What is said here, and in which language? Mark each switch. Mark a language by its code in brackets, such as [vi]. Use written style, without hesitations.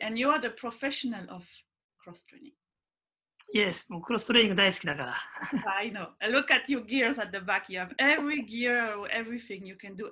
[en] And you are the professional of cross training. [ja] Yes, もうクロストレーニング大好きだから。 [en] I know. Look at your gears at the back. You have every gear, everything you can do.